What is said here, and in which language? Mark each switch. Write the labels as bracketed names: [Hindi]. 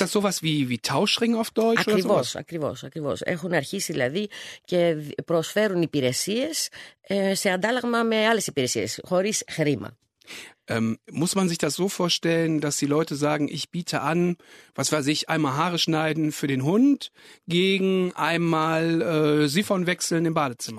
[Greek] Είναι σαν [German] wie Tauschring auf Deutsch? [Greek] Ακριβώς, ακριβώς, ακριβώς. Έχουν αρχίσει δηλαδή και προσφέρουν υπηρεσίες σε αντάλλαγμα με άλλες υπηρεσίες, χωρίς χρήμα. [German] Muss man sich das so vorstellen, dass die Leute sagen, ich biete an, was weiß ich, einmal Haare schneiden für den Hund gegen einmal Siphon wechseln im Badezimmer?